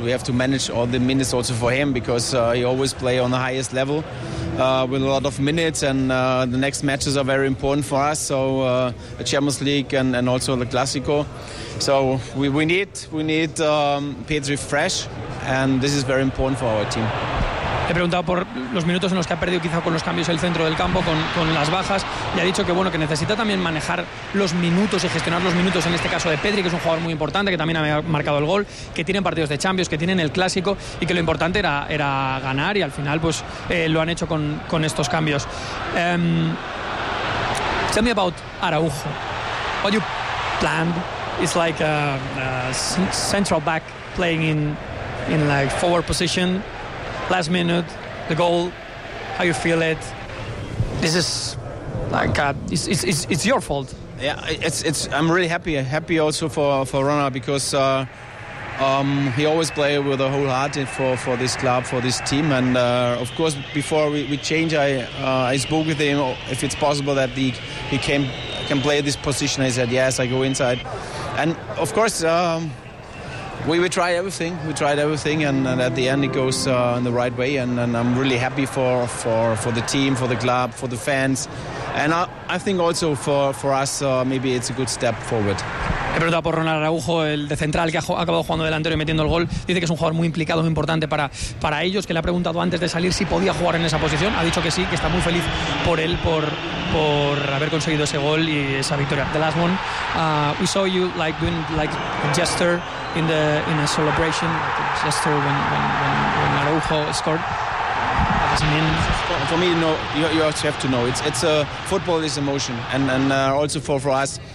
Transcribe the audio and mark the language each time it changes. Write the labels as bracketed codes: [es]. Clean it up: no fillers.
[en] We have to manage all the minutes also for him, because he always play on the highest level with a lot of minutes, and the next matches are very important for us, so the Champions League and also the Clásico. So we need Pedri fresh, and this is very important for our team. [es] He preguntado por los minutos en los que ha perdido quizá con los cambios el centro del campo, con las bajas, y ha dicho que bueno, que necesita también manejar los minutos y gestionar los minutos, en este caso de Pedri, que es un jugador muy importante, que también ha marcado el gol, que tienen partidos de Champions, que tienen el Clásico, y que lo importante era ganar, y al final pues lo han hecho con estos cambios. [en] Tell me about Araujo. What you planned is like a central back playing in like forward position. Last minute, the goal, how you feel it? This is like it's your fault. Yeah, it's I'm really happy also for Rona, because he always play with a whole heart for this club, for this team, and of course before we change, I spoke with him if it's possible that he can play this position. I said yes, I go inside, and of course. We tried everything. We tried everything, and at the end it goes in the right way. And I'm really happy for the team, for the club, for the fans, and I think also for us maybe it's a good step forward. [es] He preguntado por Ronald Araujo, el de central que ha acabado jugando delantero y metiendo el gol. Dice que es un jugador muy implicado, muy importante para ellos. Que le ha preguntado antes de salir si podía jugar en esa posición. Ha dicho que sí, que está muy feliz por él, por haber conseguido ese gol y esa victoria. [en] The last one, we saw you like doing like a gesture in a celebration, like a gesture when Araujo scored. What does it mean? For me, no, you also have to know. It's a football is emotion, and also for us.